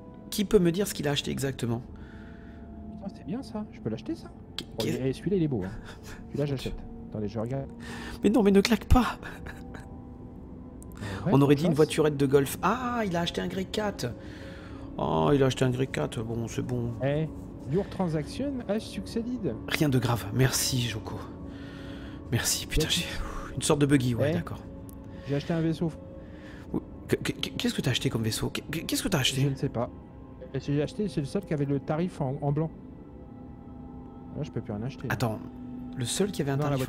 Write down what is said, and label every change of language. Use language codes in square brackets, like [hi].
[fr] Qui peut me dire ce qu'il a acheté exactement? Putain, c'est bien ça, je peux l'acheter ça. Oh, celui-là il est beau. Hein. Celui-là j'achète. Attendez, je regarde. Mais non, mais ne claque pas. Ouais, on aurait dit une voiturette de golf. Ah, il a acheté un Grey 4. Oh, il a acheté un Grey 4. Bon, c'est bon. [en] Eh, your transaction has succeeded. [fr] Rien de grave. Merci, Joko. Merci. Putain, j'ai une sorte de buggy. Ouais, d'accord. J'ai acheté un vaisseau. Qu'est-ce que t'as acheté comme vaisseau? Qu'est-ce que t'as acheté? Je ne sais pas. J'ai acheté, c'est le seul qui avait le tarif en blanc. Là, je peux plus en acheter. Attends. Le seul qui avait un tarif